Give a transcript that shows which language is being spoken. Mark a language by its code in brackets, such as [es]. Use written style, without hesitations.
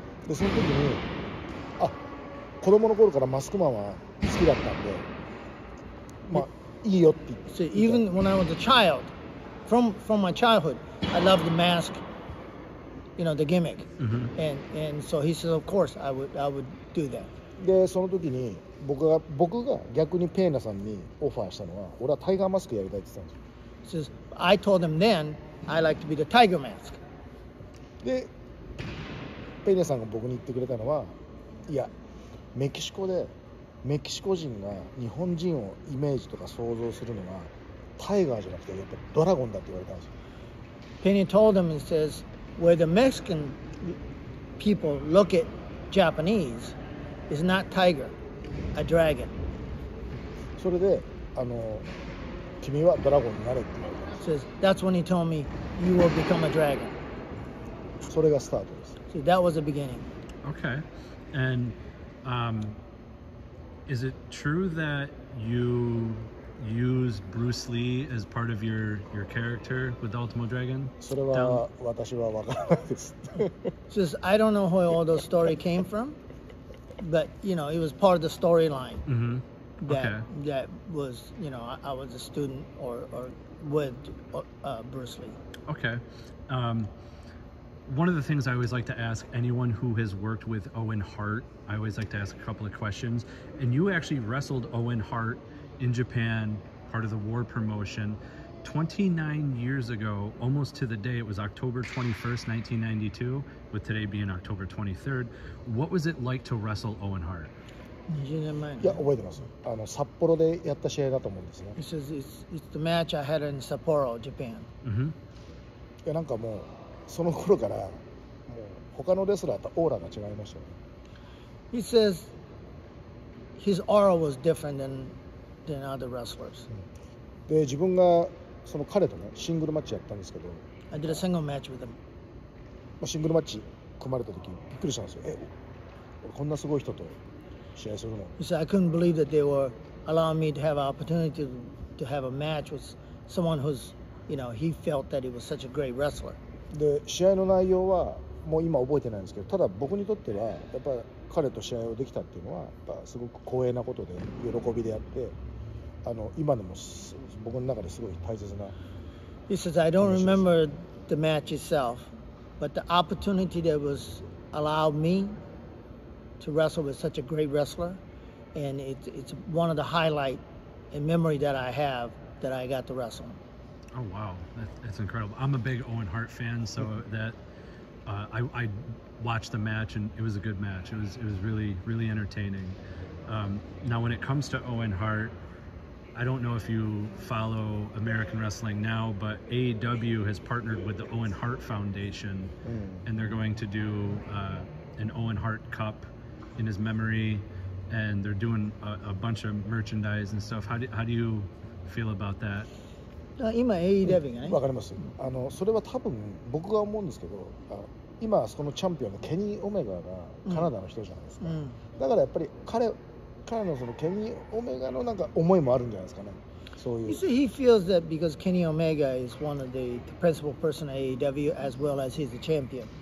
[ja] で、その時に、あ、子供の頃からマスクマンは好きだったんで、まあ、いいよって。 [en] So even when I was a child, from my childhood, I loved the mask, you know, the gimmick. Mm-hmm. And so he said, of course, I would do that. [ja] で、その時に僕が逆にペーナさんにオファーしたのは、俺はタイガーマスクやりたいって言ったんですよ。 [en] So I told him then, I like to be the tiger mask. [ja] で、ペーナさんが僕に言ってくれたのは、いや、メキシコで、メキシコ人が日本人をイメージとか想像するのはタイガーじゃなくてやっぱドラゴンだって言われたんですよ。 [en] Penny told him and says, where the Mexican people look at Japanese is not tiger, a dragon. [ja] それで、君はドラゴンになれって言われた。 [en] Says, that's when he told me, you will become a dragon. [ja] それがスタートです。 [en] So that was the beginning. Okay. And, is it true that you use Bruce Lee as part of your character with the Ultimo Dragon? [ja] それは私は分からないです。 [en] Just, I don't know where all those stories came from, but you know, it was part of the storyline. Mm-hmm. That, okay. That was, you know, I was a student or with Bruce Lee. Okay. One of the things I always like to ask anyone who has worked with Owen Hart, I always like to ask a couple of questions. And you actually wrestled Owen Hart in Japan, part of the war promotion, 29 years ago, almost to the day. It was October 21st, 1992, with today being October 23rd. What was it like to wrestle Owen Hart? 20 years ago. Yeah, I remember. It's the match I had in Sapporo, Japan. Mm-hmm. Yeah, like, more. [ja] その頃からもう他のレスラーとオーラが違いましたね。 [en] He says his aura was different than other wrestlers. [ja] で、自分がその彼とねシングルマッチやったんですけど、 [en] I did a single match with him. [ja] まあシングルマッチ組まれた時びっくりしたんですよ。え、こんなすごい人と試合するの。 [en] He said I couldn't believe that they were allowing me to have an opportunity to have a match with someone who's, you know, he felt that he was such a great wrestler. [ja] で試合の内容はもう今覚えてないんですけど、ただ僕にとってはやっぱ彼と試合をできたっていうのはやっぱすごく光栄なことで喜びであって、今でも僕の中ですごい大切な。 [en] He says I don't remember the match itself, but the opportunity that was allowed me to wrestle with such a great wrestler, and it's one of the highlight and memory that I have that I got to wrestle. Oh wow, that's incredible. I'm a big Owen Hart fan, so that I watched the match and it was a good match. It was really, really entertaining. Now when it comes to Owen Hart, I don't know if you follow American wrestling now, but AEW has partnered with the Owen Hart Foundation, and they're going to do an Owen Hart Cup in his memory, and they're doing a bunch of merchandise and stuff. How do you feel about that? [ja] 今 AEW がね、わかります。それは多分僕が思うんですけど、今そのチャンピオンのケニー・オメガがカナダの人じゃないですか、だからやっぱり彼のそのケニー・オメガのなんか思いもあるんじゃないですかね。そういう、 [en] you see, he feels that because Kenny Omega is one of the principal person at AEW as well as he's the champion.